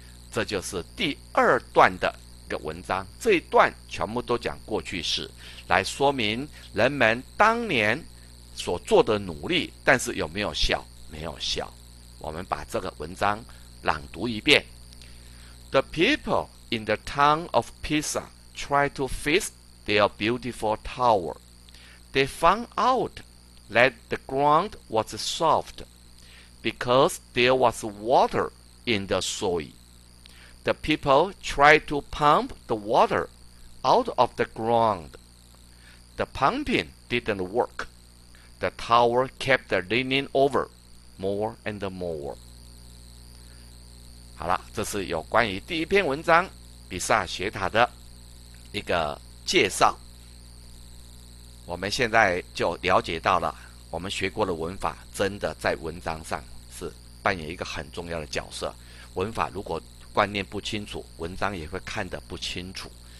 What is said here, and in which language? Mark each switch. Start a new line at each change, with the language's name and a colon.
Chinese: 这就是第二段的一个文章，这一段全部都讲过去式，来说明人们当年所做的努力，但是有没有效？没有效。我们把这个文章朗读一遍。
English: The people in the town of PisaTry to fix their beautiful tower. They found out that the ground was soft because there was water in the soil. The people tried to pump the water out of the ground. The pumping didn't work. The tower kept leaning over more and more.
Chinese: 好了，这是有关于第一篇文章《比萨斜塔》的一个介绍。我们现在就了解到了，我们学过的文法真的在文章上是扮演一个很重要的角色。文法如果观念不清楚，文章也会看得不清楚。